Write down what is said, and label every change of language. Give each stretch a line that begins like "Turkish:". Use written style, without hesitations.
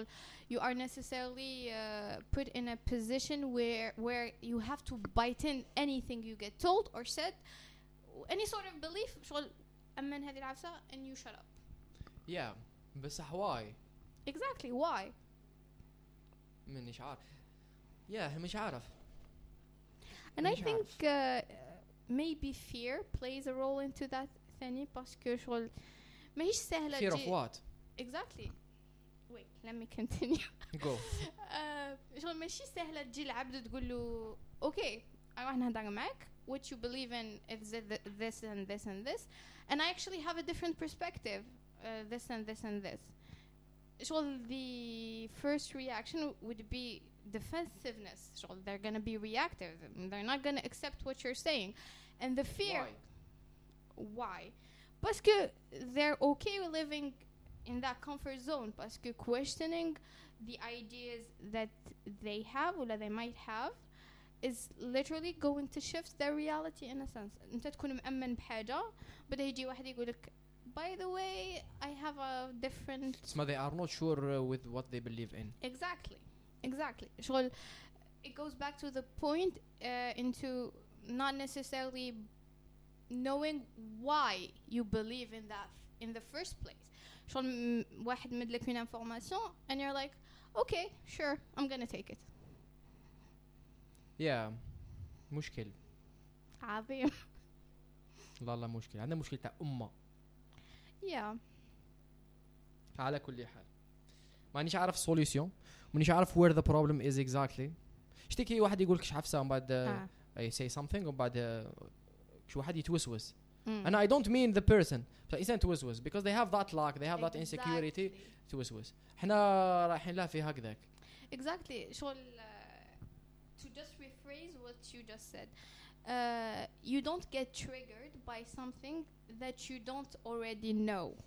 English: So you are necessarily put in a position where you have to bite in anything you get told or said, any sort of belief. So
Arabic: أمن هذه العفسة
English: and you shut up. Yeah,
Arabic: بصح
English: why? Exactly, why?
Arabic: مانيش عارف.
English: Yeah,
Arabic: مش عارف.
English: And I think maybe fear plays a role into that
Arabic: ثاني باسكو شغل ماهيش سهلة.
English: Fear of what? Exactly. Wait, let me continue. Go.
Arabic: شغل ماشي سهلة تجي لعبد تقول له
English: okay, I want to hang back. What you believe in is this and this and this. And I actually have a different perspective. This and this and this. So the first reaction would be defensiveness. So they're going to be reactive. They're not going to accept what you're saying. And the fear. Why? Because they're okay living in that comfort zone. Because questioning the ideas that they have or that they might have is literally going to shift their reality in a sense.
Arabic: أنت تكون مأمن بحاجة بده يجي واحد يقولك
English: by the way I have a different. So they are not sure with what they believe in. Exactly, exactly.
Arabic: شغل
English: it goes back to the point into not necessarily knowing why you believe in that in the first place.
Arabic: شغل واحد مدلك من
English: information and you're like okay sure I'm gonna take it. Yeah,
Arabic: مشكل. عظيم. لا لا مشكل. عندنا مشكلة أمة.
English: Yeah.
Arabic: على كل حال. ما نيش عارف
English: solution.
Arabic: ما نيش عارف
English: where the problem is exactly.
Arabic: شتى كي واحد يقولك شاف سام بعد
English: say something
Arabic: أو بعد شو واحد يتوسوس.
English: And I don't mean the person. But it's not
Arabic: توسوس
English: because they have that lack. They have that insecurity.
Arabic: توسوس. إحنا رايحين لها في هكذاك.
English: Exactly.
Arabic: شغل.
English: To just rephrase what you just said, you don't get triggered by something that you don't already know.